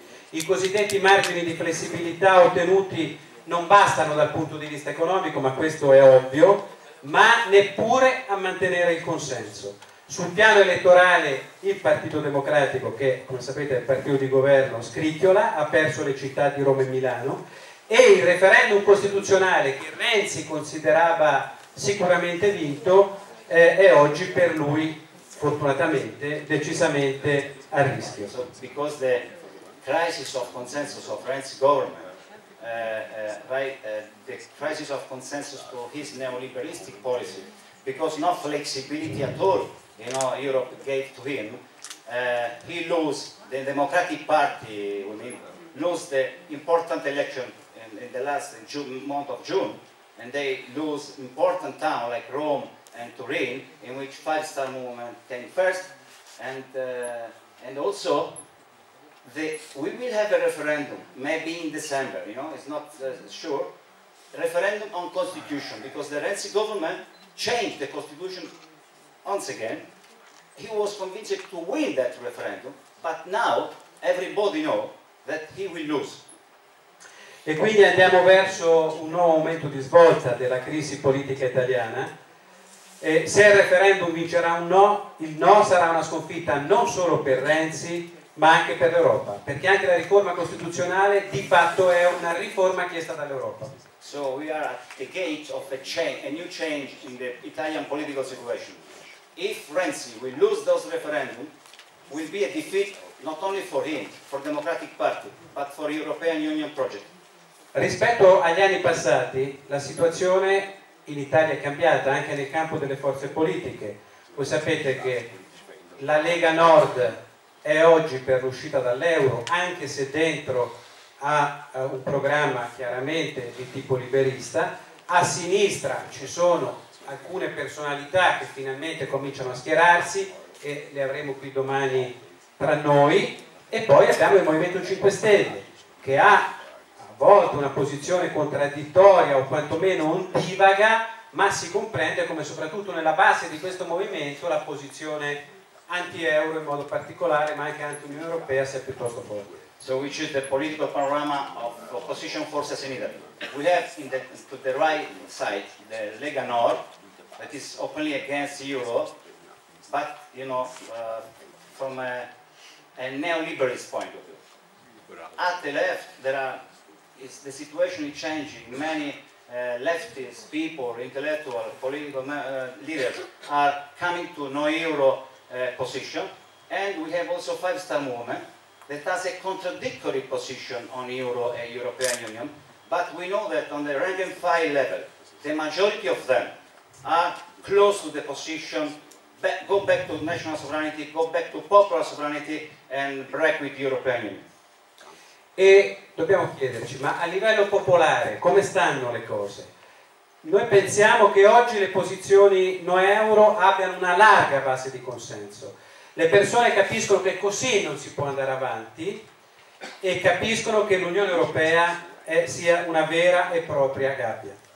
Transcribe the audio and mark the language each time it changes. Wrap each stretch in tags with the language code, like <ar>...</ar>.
<it>I cosiddetti margini di flessibilità ottenuti non bastano dal punto di vista economico, ma questo è ovvio, ma neppure a mantenere il consenso. Sul piano elettorale il Partito Democratico, che come sapete è il partito di governo, scricchiola, ha perso le città di Roma e Milano, e il referendum costituzionale che Renzi considerava sicuramente vinto è oggi per lui fortunatamente decisamente a rischio.</it> <en>So, because the crisis of consensus of Renzi government, the crisis of consensus for his neoliberalistic policy, because no flexibility at all, you know, Europe gave to him, he lose the Democratic Party, I mean, lose the important election in the last month of June, and they lose important towns like Rome and Turin, in which Five Star Movement came first, and also we will have a referendum, maybe in December, you know, it's not sure, referendum on constitution, because the Renzi government changed the constitution once again. He was convinced to win that referendum, but now everybody knows that he will lose.</en> <it>E quindi andiamo verso un nuovo momento di svolta della crisi politica italiana. E se il referendum vincerà un no, il no sarà una sconfitta non solo per Renzi, ma anche per l'Europa, perché anche la riforma costituzionale di fatto è una riforma chiesta dall'Europa.</it> <en>So we are at the gate of a change, a new change in the Italian political situation. If Renzi will lose those referendum, will be a defeat not only for him, for Democratic Party, but for European Union project.</en> <it>Rispetto agli anni passati, la situazione in Italia è cambiata anche nel campo delle forze politiche. Voi sapete che la Lega Nord è oggi per l'uscita dall'euro, anche se dentro ha un programma chiaramente di tipo liberista. A sinistra ci sono alcune personalità che finalmente cominciano a schierarsi e le avremo qui domani tra noi. E poi abbiamo il Movimento 5 Stelle, che ha a volte una posizione contraddittoria o quantomeno ondivaga, ma si comprende come soprattutto nella base di questo movimento la posizione anti-euro in modo particolare, ma anche anti-Unione Europea, sia piuttosto forte.</it> <en>So we choose the political panorama of opposition forces in Italy. We have in the, to the right side the Lega Nord, that is openly against euro, but you know, from a neoliberalist point of view. At the left, there are is the situation is changing. Many leftist people, intellectual, political leaders are coming to no euro position, and we have also Five Star Movement that has a contradictory position on euro and European Union, but we know that on the rank and file level, the majority of them are close to the position, go back to national sovereignty, go back to popular sovereignty and break with European Union.</en> <it>E dobbiamo chiederci, ma a livello popolare come stanno le cose? Noi pensiamo che oggi le posizioni no euro abbiano una larga base di consenso. Le persone capiscono che così non si può andare avanti e capiscono che l'Unione Europea sia una vera e propria gabbia.</it>